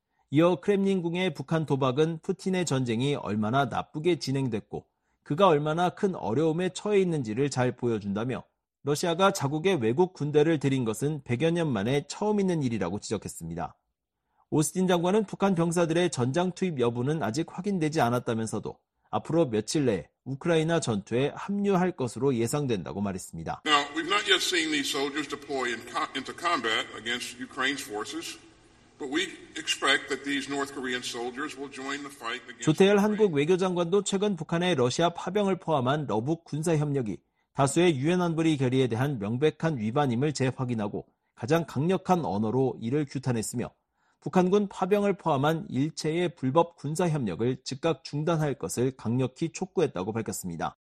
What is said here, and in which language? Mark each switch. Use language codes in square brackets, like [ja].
[ko] 이어 크렘린궁의 북한 도박은 푸틴의 전쟁이 얼마나 나쁘게 진행됐고 그가 얼마나 큰 어려움에 처해 있는지를 잘 보여준다며 러시아가 자국의 외국 군대를 들인 것은 100여 년 만에 처음 있는 일이라고 지적했습니다. 오스틴 장관은 북한 병사들의 전장 투입 여부는 아직 확인되지 않았다면서도 앞으로 며칠 내에 우크라이나 전투에 합류할 것으로 예상된다고 말했습니다. [en] Now, we've not yet seen these soldiers deploy into combat against Ukraine's forces. But we expect that these North Korean soldiers will join the fight against [ko] 조태열 한국 외교장관도 최근 북한의 러시아 파병을 포함한 러북 군사 협력이 다수의 유엔 안보리 결의에 대한 명백한 위반임을 재확인하고 가장 강력한 언어로 이를 규탄했으며 북한군 파병을 포함한 일체의 불법 군사 협력을 즉각 중단할 것을 강력히 촉구했다고 밝혔습니다.